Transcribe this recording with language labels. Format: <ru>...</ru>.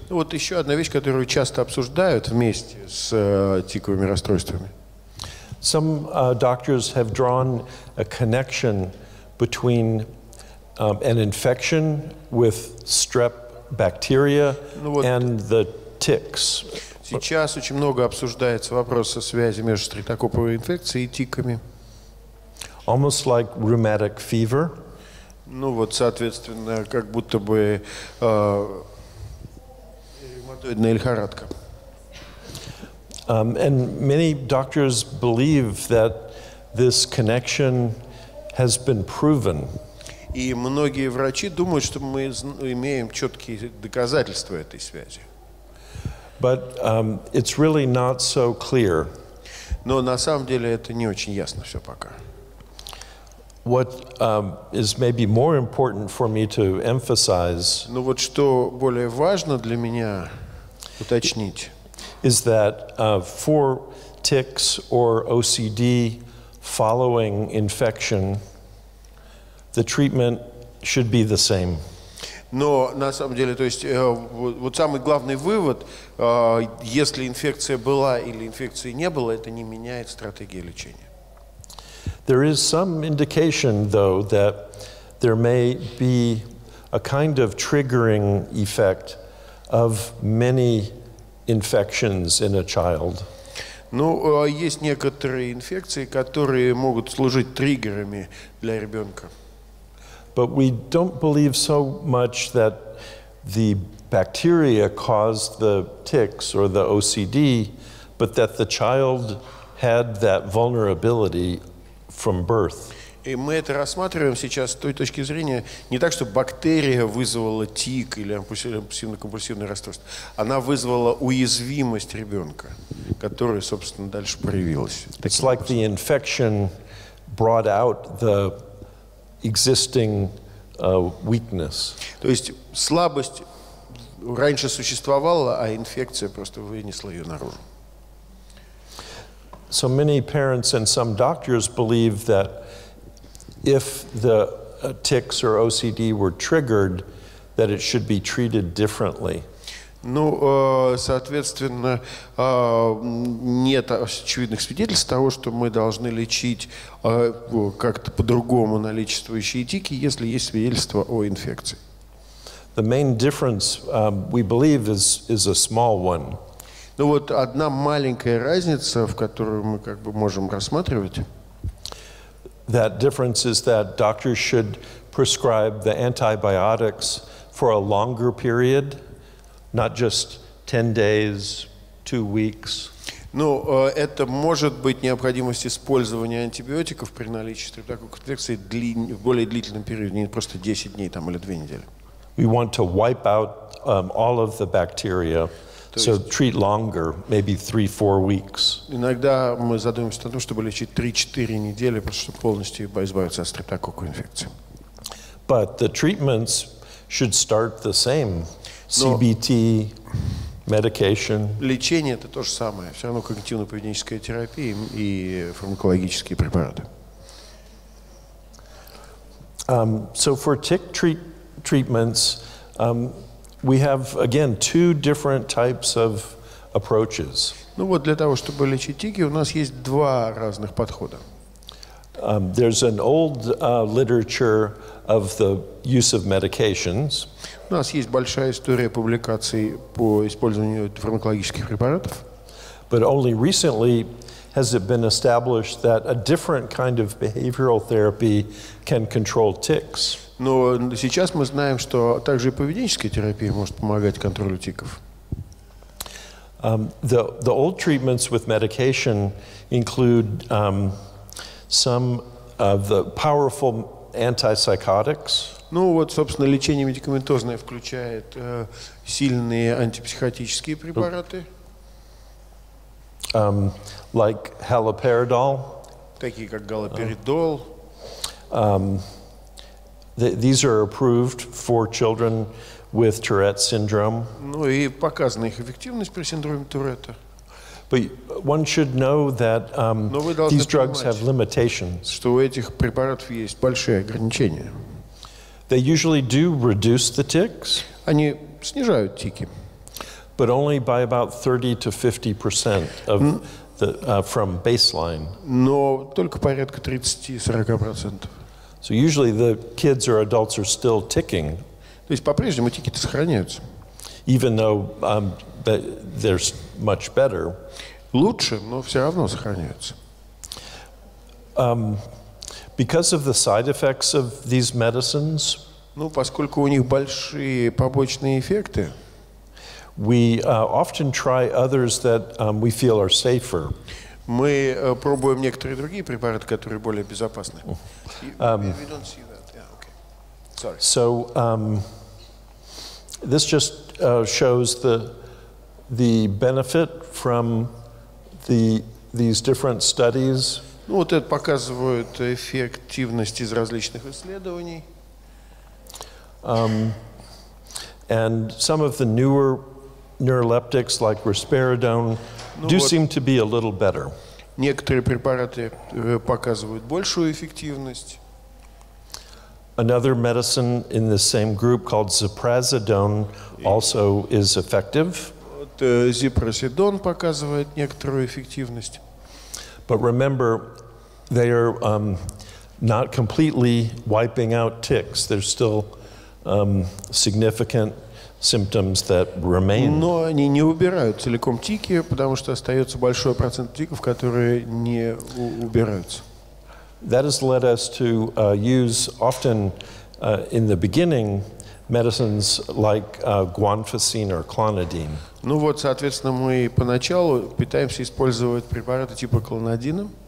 <ru>Ну вот еще одна вещь, которую часто обсуждают вместе с тиковыми расстройствами.</ru> <en>Some doctors have drawn a connection between an infection with strep bacteria and the tics.</en> <ru>Сейчас очень много обсуждается вопрос о связи между стрептококковой инфекцией и тиками.</ru> <en>Almost like rheumatic fever.</en> <ru>Ну вот, соответственно, как будто бы ревматоидная лихорадка.</ru> <en>And many doctors believe that this connection has been proven.</en> <ru>И многие врачи думают, что мы имеем четкие доказательства этой связи.</ru> <en>But it's really not so clear.</en> <ru>Но на самом деле это не очень ясно все пока.</ru> <en>What is maybe more important for me to emphasize?</en> <ru>Ну вот что более важно для меня уточнить?</ru> <en>Is that for tics or OCD following infection, the treatment should be the same.</en> <ru>Но на самом деле, то есть, вот самый главный вывод, если инфекция была или инфекции не было, это не меняет стратегии лечения.</ru> <en>There is some indication, though, that there may be a kind of triggering effect of many infections in a child.</en> <ru>Ну, есть некоторые инфекции, которые могут служить триггерами для ребенка.</ru> <en>But we don't believe so much that the bacteria caused the ticks or the OCD, but that the child had that vulnerability from birth.</en> <ru>И мы это рассматриваем сейчас с той точки зрения, не так, что бактерия вызвала тик или обсессивно-компульсивное расстройство, она вызвала уязвимость ребенка, которая, собственно, дальше проявилась.</ru> <en>It's like the infection brought out the existing weakness.</en> <ru>То есть слабость раньше существовала, а инфекция просто вынесла ее наружу.</ru> <en>So many parents and some doctors believe that if the tics or OCD were triggered, that it should be treated differently.</en> <ru>Ну, соответственно, нет очевидных свидетельств того, что мы должны лечить как-то по-другому наличествующие тики, если есть свидетельства о инфекции.</ru> <en>The main difference, we believe, is a small one.</en> <ru>Ну вот одна маленькая разница, в которую мы как бы можем рассматривать.</ru> <en>That difference is that doctors should prescribe the antibiotics for a longer period, not just 10 days, 2 weeks.</en> <ru>Ну, это может быть необходимость использования антибиотиков при наличии стрептококковой инфекции в более длительном периоде, не просто 10 дней там или 2 недели.</ru> <en>We want to wipe out all of the bacteria. So treat longer, maybe 3-4 weeks.</en> <ru>Иногда мы задумываемся о том, чтобы лечить 3-4 недели, просто чтобы полностью избавиться от стрептококковой инфекции.</ru> <en>But the treatments should start the same. CBT, medication.</en> <ru>Лечение это то же самое. Все равно когнитивно-поведенческая терапия и фармакологические препараты.</ru> <en>So for tick treatments, we have again two different types of approaches.</en> <ru>Ну вот для того, чтобы лечить тики, у нас есть два разных подхода.</ru> <en>There's an old literature of the use of medications.</en> <ru>У нас есть большая история публикаций по использованию фармакологических препаратов.</ru> <en>But only recently has it been established that a different kind of behavioral therapy can control tics.</en> <ru>Но сейчас мы знаем, что также и поведенческая терапия может помогать контролю тиков.</ru> <en>The old treatments with medication include some of the powerful antipsychotics.</en> <ru>Ну вот, собственно, лечение медикаментозное включает сильные антипсихотические препараты.</ru> <en>Like haloperidol.</en> <ru>Такие как галоперидол.</ru> <en>These are approved for children with Tourette syndrome.</en> <ru>Ну и показана их эффективность при синдроме Туретта.</ru> <en>But one should know that these drugs have limitations.</en> <ru>Что у этих препаратов есть большие ограничения.</ru> <en>They usually do reduce the tics.</en> <ru>Они снижают тики.</ru> <en>But only by about 30-50% of the from baseline.</en> <ru>Но только порядка 30-40%.</ru> <en>So usually the kids or adults are still ticking.</en> <ru>То есть по-прежнему тики-то сохраняются.</ru> <en>Even though they're much better.</en> <ru>Лучше, но все равно сохраняются.</ru> <en>Because of the side effects of these medicines.</en> <ru>Ну, поскольку у них большие побочные эффекты.</ru> <en>We often try others that we feel are safer.</en> <ru>Мы пробуем некоторые другие препараты, которые более безопасны.</ru> <en>We don't see that. Yeah, okay. Sorry. So this just shows the benefit from these different studies.</en> <ru>Ну вот это показывает эффективность из различных исследований.</ru> <en>And some of the newer neuroleptics like risperidone do seem to be a little better.</en> <ru>Некоторые препараты показывают большую эффективность.</ru> <en>Another medicine in the same group called ziprasidone also is effective.</en> <ru>Ziprasidone показывает некоторую эффективность.</ru> <en>But remember, they are not completely wiping out ticks. There's still significant symptoms that remain.</en> <ru>Но они не убирают целиком тики, потому что остается большой процент тиков, которые не убираются.</ru> <en>That has led us to use often in the beginning medicines like guanfacine or clonidine.</en> <ru>Ну вот, соответственно, мы поначалу пытаемся использовать препараты типа клонидина.</ru>